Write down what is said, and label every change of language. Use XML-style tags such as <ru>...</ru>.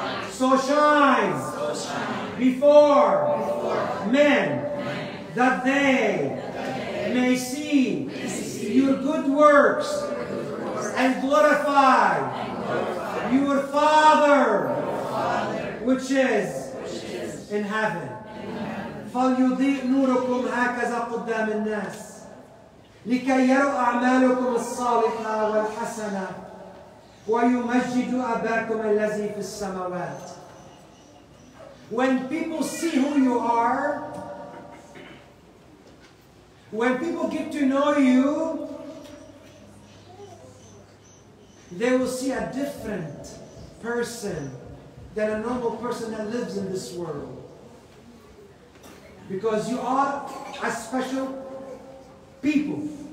<en>so shine before men that they may see your good works and glorify your Father which is in heaven.</en> <ar>فليضيء نوركم هكذا قدام الناس لكي يروا أعمالكم الصالحة والحسنة ويمجد أباكم الذي في السماوات.</ar> <en>When people see who you are, when people get to know you, they will see a different person than a normal person that lives in this world. Because you are a special people.</en>